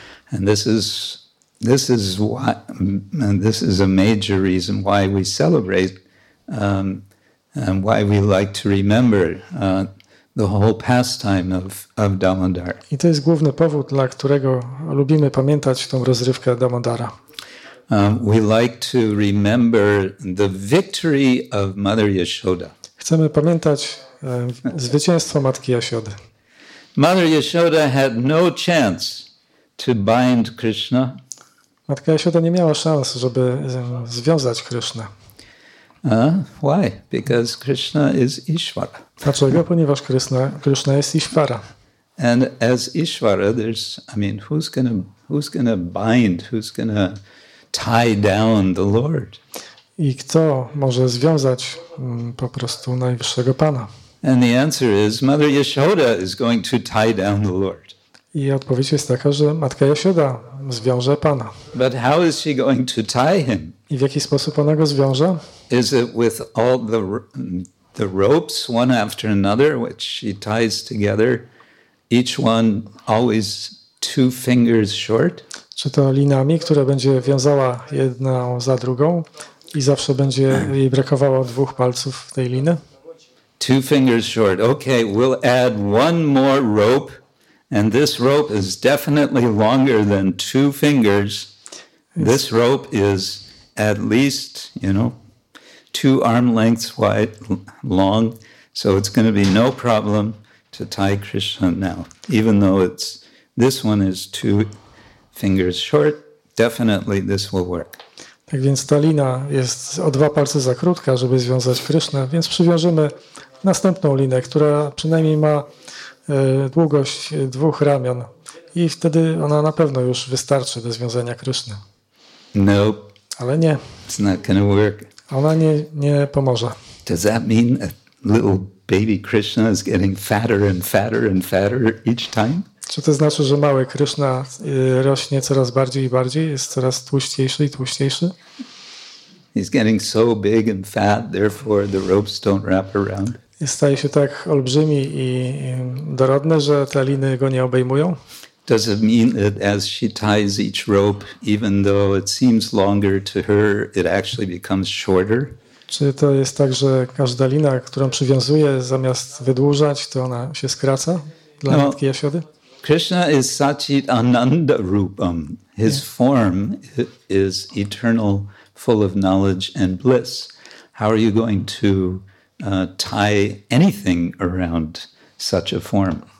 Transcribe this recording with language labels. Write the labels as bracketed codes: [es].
[en] And this is a major reason why we celebrate and why we like to remember the whole pastime of Damodar. [pl] I to jest główny powód, dla którego lubimy pamiętać tą rozrywkę Damodara. [en] We like to remember the victory of Mother Yashoda. [pl] Chcemy pamiętać zwycięstwo Matki Yashody. [en] Mother Yashoda had no chance to bind Krishna. [pl] Matka Yashoda nie miała szans, żeby związać Krishna. [en] Why? Because Krishna is Ishvara. [pl] Dlaczego? Ponieważ Krishna jest Ishvara. [en] And as Ishvara, who's gonna bind? Who's gonna tie down the Lord? [pl] I kto może związać po prostu najwyższego Pana? [en] And the answer is Mother Yashoda is going to tie down the Lord. [pl] I odpowiedź jest taka, że Matka Yashoda zwiąże Pana. [en] But how is she going to tie him? [pl] I w jaki sposób ona go zwiąże? [en] Is it with all the ropes one after another which she ties together, each one always two fingers short? [pl] Czy to linami, które będzie wiązała jedną za drugą i zawsze będzie jej brakowało dwóch palców tej liny? [en] Two fingers short. Okay, we'll add one more rope And this rope is definitely longer than two fingers. This rope is at least, you know, two arm lengths wide, long. So it's going to be no problem to tie Krishna now. Even though it's this one is two fingers short, definitely this will work. [pl] Tak więc ta lina jest o dwa palce za krótka, żeby związać Krishna, więc przywiążemy następną linę, która przynajmniej ma długość dwóch ramion. I wtedy ona na pewno już wystarczy do związania Krishna. [en] No. [pl] Ale nie. [en] It's not gonna work. [pl] Ona nie pomoże. [en] Does that mean a little baby Krishna is getting fatter and fatter and fatter each time? [pl] Czy to znaczy, że mały Krishna rośnie coraz bardziej i bardziej, jest coraz tłuściejszy i tłuściejszy? [en] He's getting so big and fat, therefore the ropes don't wrap around. [pl] Staje się tak olbrzymi i dorodny, że te liny go nie obejmują? [en] Does it mean that as she ties each rope, even though it seems longer to her, it actually becomes shorter? [pl] Czy to jest tak, że każda lina, którą przywiązuje, zamiast wydłużać, to ona się skraca dla matki Jasiody? [en] Krishna is Satchit Ananda Rupam. His form is eternal, full of knowledge and bliss. How are you going to tie anything around such a form?